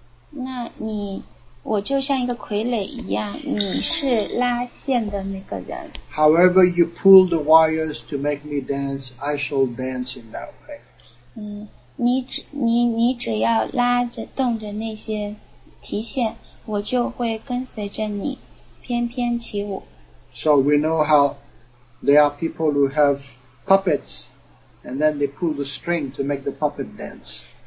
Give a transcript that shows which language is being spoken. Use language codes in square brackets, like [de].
[zh] 那你, 我就像一个傀儡一样,你是拉线的那个人。 [en] However you pull the wires to make me dance, I shall dance in that way. [zh] 你只要拉着动着那些提线,我就会跟随着你翩翩起舞。 [en] So we know how there are people who have puppets, and then they pull the string to make the puppet dance.